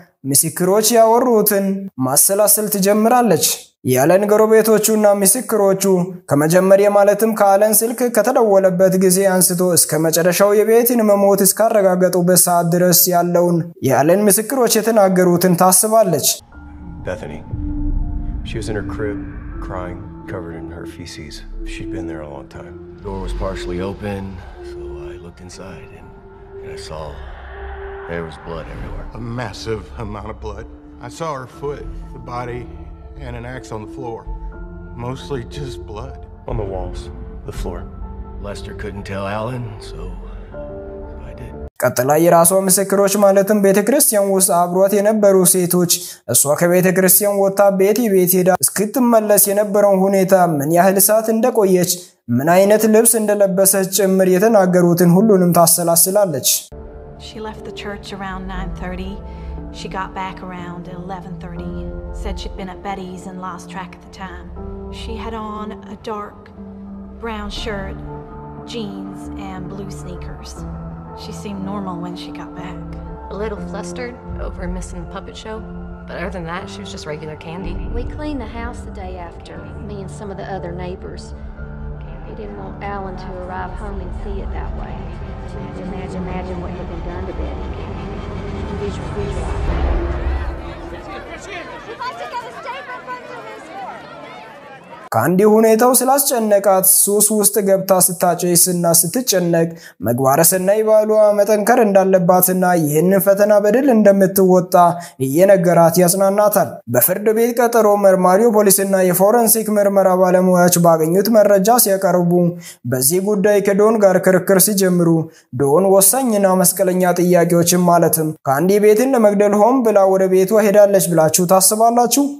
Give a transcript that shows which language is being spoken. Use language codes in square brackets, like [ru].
[am] ምስክሮች ያወሩትን ማሰላሰል ትጀምራለች። የአለን ጎረቤቶቹ እና ምስክሮቹ ከመጀመሪያ ማለትም ከአለን ስልክ ከተደወለበት ጊዜ አንስቶ እስከ መጨረሻው የቤቲን መሞት እስካረጋገጡበት ሰዓት ድረስ ያለውን የአለን ምስክሮች የተናገሩትን ታስባለች። [en] Bethany, she was in her crib, crying, covered in her feces. She'd been there a long time. The door was partially open, so I looked inside and I saw there was blood everywhere. A massive amount of blood. I saw her foot, the body, and an axe on the floor. Mostly just blood. On the walls, the floor. Lester couldn't tell Alan, so I did. [am] ቀጥላ የራሷ ምስክሮች ማለትም ቤተ ክርስቲያን ውስጥ አብሯት የነበሩ ሴቶች እሷ ከቤተ ክርስቲያን ወጥታ ቤቲ ቤት ሄዳ እስክትመለስ የነበረውን ሁኔታ ምን ያህል ሰዓት እንደቆየች ምን አይነት ልብስ እንደለበሰች ጭምር የተናገሩትን ሁሉንም ታሰላስላለች። [en] She left the church around 9:30. She got back around 11:30. Said she'd been at Betty's and lost track of the time. She had on a dark brown shirt, jeans, and blue sneakers. She seemed normal when she got back. A little flustered over missing the puppet show, but other than that, she was just regular Candy. We cleaned the house the day after, me and some of the other neighbors. We didn't want Alan to arrive home and see it that way. Imagine what had been done to Betty. Visual. [am] ካንዲ ሁኔታው ስላስጨነቃት ሱስ ውስጥ ገብታ ስታጨይስና ስትጨነቅ መጓረስና ይባሏ መጠንከር እንዳለባትና ይህንን ፈተና በድል እንደምትወጣ እየነገራት ያጽናናታል። በፍርድ ቤት ቀጠሮ መርማሪው ፖሊስና የፎረንሲክ ምርመራ ባለሙያዎች ባገኙት መረጃ ሲያቀርቡ በዚህ ጉዳይ ከዶን ጋር ክርክር ሲጀምሩ ዶን ወሳኝና መስቀለኛ ጥያቄዎችን ማለትም ካንዲ ቤትን ለመግደል ሆን ብላ ወደ ቤቷ ሄዳለች ብላችሁ ታስባላችሁ?